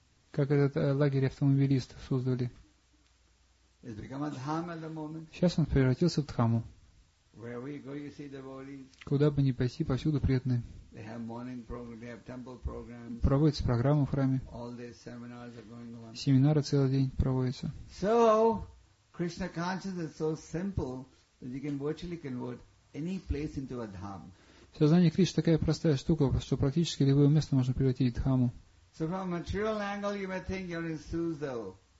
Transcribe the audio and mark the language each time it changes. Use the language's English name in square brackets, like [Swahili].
[Russian] Как этот лагерь автомобилистов в Суздале. [English] It's become a dham at the moment. [Russian] Сейчас он превратился в Дхаму. [English] Where we go, you see devotees. [Russian] Куда бы ни пойти, повсюду преданные. [English] They have morning program, they have temple programs. [Russian] Проводятся программы в храме. [English] All these seminars are going on. [Russian] Семинары целый день проводятся. [English] So, Krishna consciousness is so simple that you can virtually convert any place into a dham. [Russian] Сознание Кришны такая простая штука, что практически любое место можно превратить в Дхаму. [English] So from a material angle, you may think you're in Suzdal.